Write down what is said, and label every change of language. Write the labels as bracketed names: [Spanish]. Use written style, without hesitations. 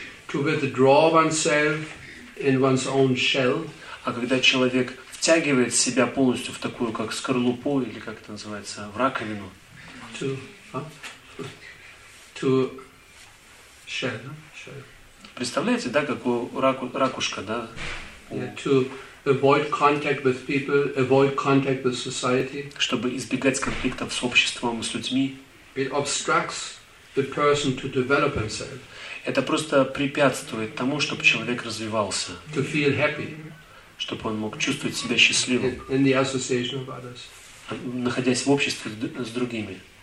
[English] To withdraw oneself in one's own shell. [Russian] А когда человек втягивает себя полностью в такую, как скорлупу, или как это называется, в раковину. [English] To shell, shell. [Russian] Представляете, да, как у ракушка, да? [English] Yeah, to avoid contact with people, avoid contact with society. [Russian] Чтобы избегать конфликтов с обществом, с людьми. [English] It obstructs the person to develop himself. [Russian] Это просто препятствует тому, чтобы человек развивался. [English] To feel happy. [Russian] Чтобы он мог чувствовать себя счастливым. [English] In the association of others. [Russian] Находясь в обществе с другими.